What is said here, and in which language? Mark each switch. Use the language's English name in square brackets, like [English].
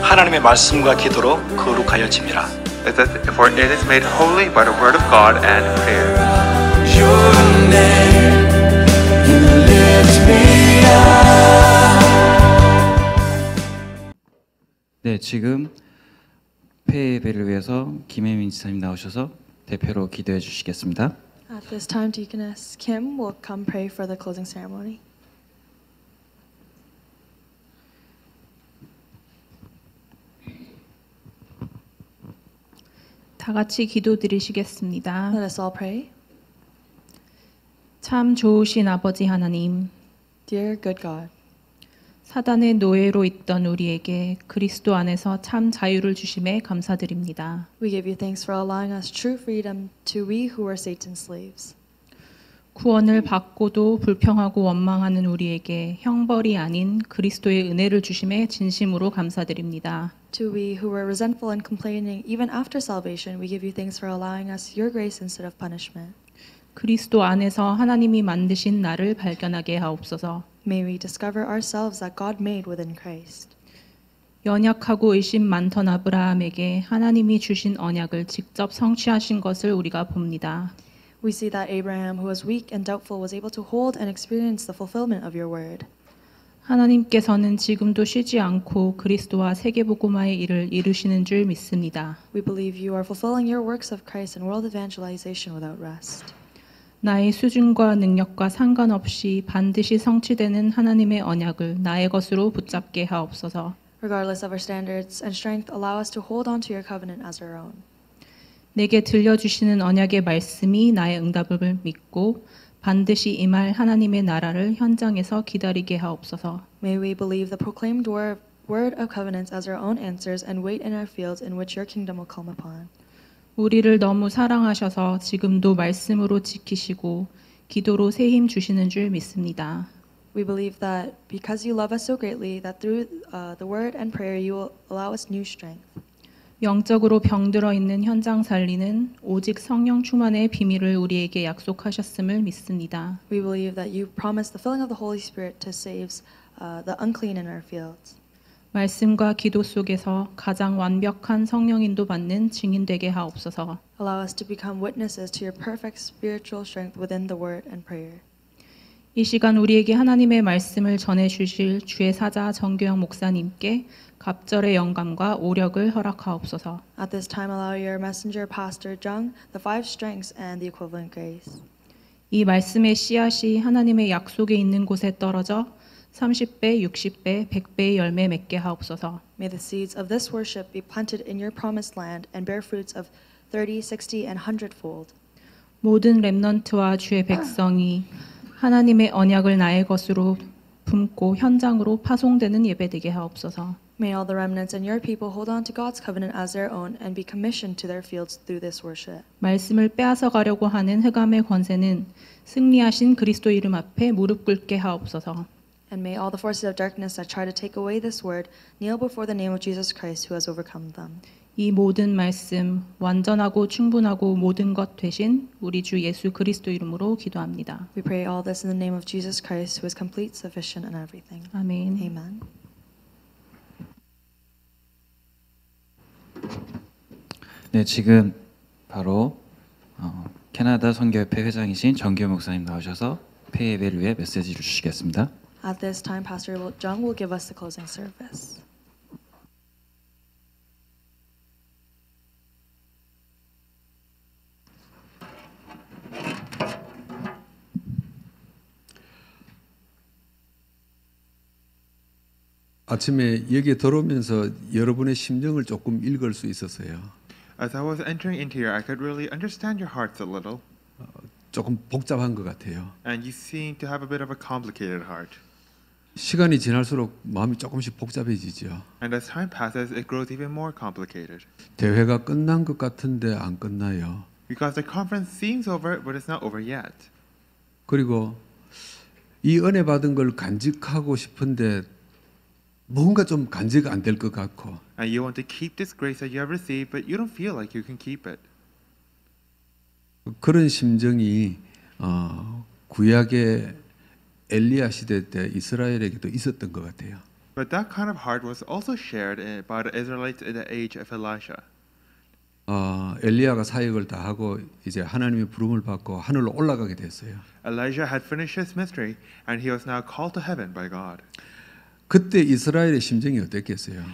[Korean] 하나님의 말씀과 기도로 거룩하여집니다. [English] For it is made holy by the word of God and prayer. Your name, you lift me up. [Korean] 네, 지금 폐예배를 위해서 김혜민 지사님 나오셔서 대표로 기도해 주시겠습니다. [English] At this time, Deaconess Kim will come pray for the closing ceremony. [Korean] 다 같이 기도 드리시겠습니다. [English] Let us all pray. [Korean] 참 좋으신 아버지 하나님, [English] Dear good God, [Korean] 사단의 노예로 있던 우리에게 그리스도 안에서 참 자유를 주심에 감사드립니다. [English] We give you thanks for allowing us true freedom to we who are Satan's slaves. [Korean] 구원을 받고도 불평하고 원망하는 우리에게 형벌이 아닌 그리스도의 은혜를 주심에 진심으로 감사드립니다. [English] To we who were resentful and complaining even after salvation, we give you thanks for allowing us your grace instead of punishment. [Korean] 그리스도 안에서 하나님이 만드신 나를 발견하게 하옵소서. [English] May we discover ourselves that God made within Christ. [Korean] 연약하고 의심 많던 아브라함에게 하나님이 주신 언약을 직접 성취하신 것을 우리가 봅니다. [English] We see that Abraham, who was weak and doubtful, was able to hold and experience the fulfillment of your word. [Korean] 하나님께서는 지금도 쉬지 않고 그리스도와 세계복음화의 일을 이루시는 줄 믿습니다. [English] We believe you are fulfilling your works of Christ and world evangelization without rest. [Korean] 나의 수준과 능력과 상관없이 반드시 성취되는 하나님의 언약을 나의 것으로 붙잡게 하옵소서. [English] Regardless of our standards and strength, allow us to hold on to your covenant as our own. [Korean] 내게 들려주시는 언약의 말씀이 나의 응답을 믿고 반드시 임할 하나님의 나라를 현장에서 기다리게 하옵소서. [English] May we believe the proclaimed word of covenants as our own answers and wait in our fields in which your kingdom will come upon. [Korean] 우리를 너무 사랑하셔서 지금도 말씀으로 지키시고 기도로 새 힘 주시는 줄 믿습니다. [English] We believe that because you love us so greatly that through the word and prayer you will allow us new strength. [Korean] 영적으로 병들어 있는 현장 살리는 오직 성령 충만의 비밀을 우리에게 약속하셨음을 믿습니다. [English] We believe that you promised the filling of the Holy Spirit to save the unclean in our fields. [Korean] 말씀과 기도 속에서 가장 완벽한 성령 인도 받는 증인 되게 하옵소서. [English] Allow us to become witnesses to your perfect spiritual strength within the word and prayer. [Korean] 이 시간 우리에게 하나님의 말씀을 전해 주실 주의 사자 정규영 목사님께 갑절의 영감과 오력을 허락하옵소서. [English] At this time allow your messenger pastor Jung the five strengths and the equivalent grace. [Korean] 이 말씀의 씨앗이 하나님의 약속에 있는 곳에 떨어져 30배, 60배, 100배의 열매 맺게 하옵소서. [English] May the seeds of this worship be planted in your promised land and bear fruits of 30, 60 and 100-fold. [Korean] 모든 렘넌트와 주의 백성이 하나님의 언약을 나의 것으로 품고 현장으로 파송되는 예배 되게 하옵소서. [English] May all the remnants and your people hold on to God's covenant as their own and be commissioned to their fields through this worship. [Korean] 말씀을 빼앗아 가려고 하는 흑암의 권세는 승리하신 그리스도 이름 앞에 무릎 꿇게 하옵소서. [English] And may all the forces of darkness that try to take away this word kneel before the name of Jesus Christ who has overcome them. [Korean] 이 모든 말씀 완전하고 충분하고 모든 것 되신 우리 주 예수 그리스도 이름으로 기도합니다. [English] We pray all this in the name of Jesus Christ who is complete, sufficient and everything. Amen. Amen. [Korean] 네, 지금 바로 캐나다 선교협회 회장이신 정규 목사님 나오셔서 폐예배를 위해 메시지를 주시겠습니다. [English] At this time, Pastor Jung will give us the closing service. As I was entering into here, I could really understand your hearts a little. [Korean] 조금 복잡한 것 같아요. [English] And you seem to have a bit of a complicated heart. [Korean] 시간이 지날수록 마음이 조금씩 복잡해지죠. [English] And as time passes, it grows even more complicated. [Korean] 대회가 끝난 것 같은데 안 끝나요. [English] Because the conference seems over, but it's not over yet. [Korean] 그리고 이 은혜 받은 걸 간직하고 싶은데 뭔가 좀 간직 안 될 것 같고. [English] And you want to keep this grace that you have received, but you don't feel like you can keep it. [Korean] 그런 심정이 구약의 엘리야 시대 때 이스라엘에게도 있었던 것 같아요. [English] But that kind of heart was also shared by the Israelites in the age of Elisha. [Korean] 엘리야가 사역을 다 하고 이제 하나님의 부름을 받고 하늘로 올라가게 됐어요. [English] Elijah had finished his ministry and he was now called to heaven by God. [Korean] 그때 이스라엘의 심정이 어땠겠어요?